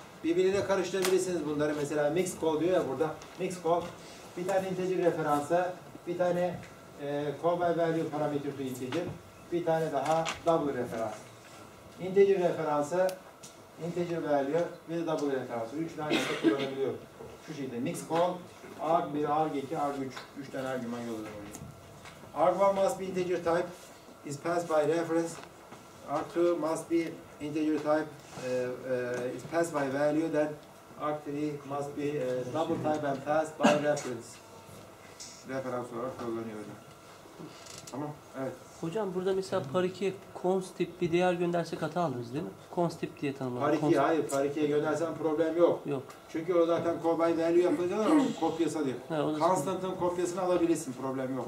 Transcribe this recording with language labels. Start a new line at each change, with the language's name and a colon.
Turkish: Birbirine karıştırabilirsiniz bunları. Mesela mix call diyor ya burada. Mix call bir tane integer referansı, bir tane call by value parameter to integer, bir tane daha double referans. Integer referansı, integer value ve double referansı. Üç tane de kullanabiliyor. Şu şekilde mix call, arg1, arg2, arg3. Üç tane argüman yolluyor.
English: Arg1 must be integer type, is passed by reference. Arg2 must be integer type, is passed by value. Then arg3 must be double type and passed by reference.
Turkish: Referans olarak kullanıyor. Tamam, evet. Hocam burada mesela parikeye const tip bir değer göndersek hata alırız değil mi? Const tip diye tanımlanır. Parikeye hayır, parikeye göndersen problem yok. Yok. Çünkü o zaten call by value yapacaklar ama kopyası diyor. Evet, constant'ın kopyasını alabilirsin, problem yok.